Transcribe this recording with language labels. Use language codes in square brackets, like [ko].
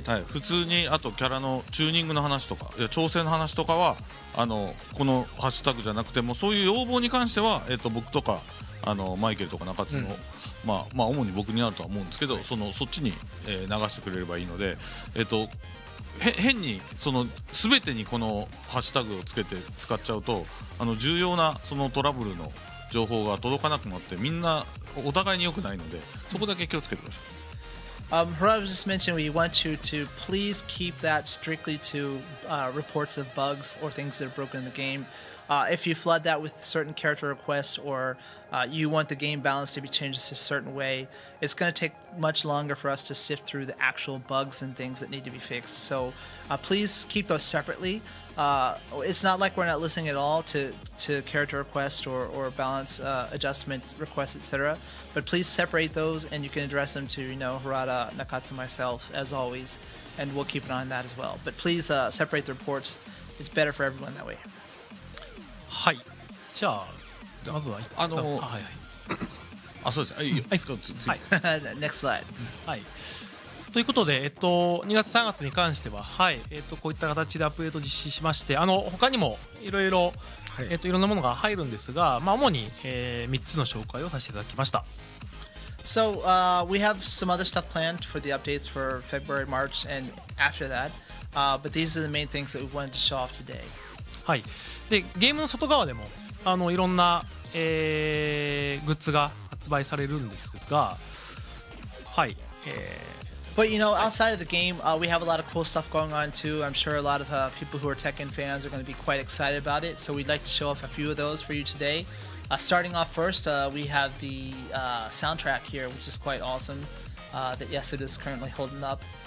[ja] とか、はい、普通にあとキャラのチューニングの話とか、いや調整の話とかはあのこのハッシュタグじゃなくて、もうそういう要望に関しては、僕とかあのマイケルとか中津の、うん、まあまあ、主に僕にあるとは思うんですけど、はい、そっちに、流してくれればいいので、変にその全てにこのハッシュタグをつけて使っちゃうと、あの重要なそのトラブルの情報が届かなくなって、みんなお互いに良くないので、そこだけ気をつけてください。 [en] Harada just mentioned we want you to please keep that strictly to reports of bugs or things that are broken in the game. If you flood that with certain character requests or you want the game balance to be changed a certain way, it's going to take much longer for us to sift through the actual bugs and things that need to be fixed. So please keep those separately. It's not like we're not listening at all to character requests or balance adjustment requests, etc. But please separate those and you can address them to, you know, Harada, Nakatsu, myself, as always. And we'll keep an eye on that as well. But please separate the reports. It's better for everyone that way. [ja] はい。じゃあ、まずは、はいはい。あ、そうです。はい、次。はい。 [en] Next slide. [ja] はい。ということで、2月3月に関しては、はい、こういった形でアップデート実施しまして、他にもいろいろ、いろんなものが入るんですが、まあ、主に、3つの紹介をさせていただきました。 [en] So, we have some other stuff planned for the updates for February, March, and after that. But these are the main things that we wanted to show off today. [ja] はい。でゲームの外側でもいろんな、グッズが発売されるんですが、はい、 [en] But you know, outside of the game, we have a lot of cool stuff going on too. I'm sure a lot of people who are Tekken fans are going to be quite excited about it. So we'd like to show off a few of those for you today. Starting off first, we have the soundtrack here, which is quite awesome, that Yasuda is currently holding up.